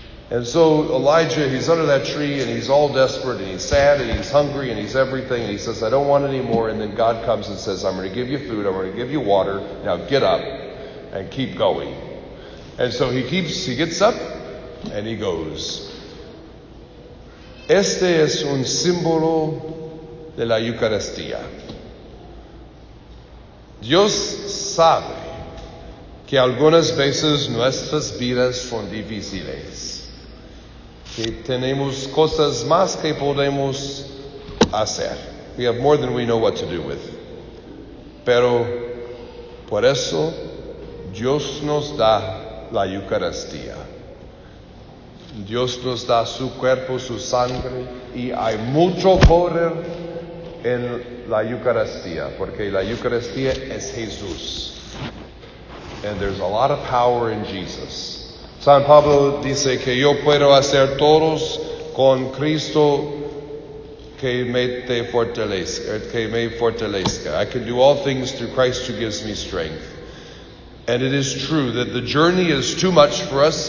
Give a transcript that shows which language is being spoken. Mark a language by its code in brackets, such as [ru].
[en] And so Elijah, he's under that tree and he's all desperate and he's sad and he's hungry and he's everything. And he says, I don't want any more. And then God comes and says, I'm going to give you food. I'm going to give you water. Now get up and keep going. And so he gets up and he goes. [es] Este es un símbolo de la Eucaristía. Dios sabe que algunas veces nuestras vidas son difíciles, que tenemos cosas más que podemos hacer. [en] We have more than we know what to do with. [es] Pero por eso Dios nos da la Eucaristía. Dios nos da su cuerpo, su sangre, y hay mucho poder en la Eucaristía, porque la Eucaristía es Jesús. [en] And there's a lot of power in Jesus. [es] San Pablo dice que yo puedo hacer todos con Cristo que me fortalezca. [en] I can do all things through Christ who gives me strength. And it is true that the journey is too much for us.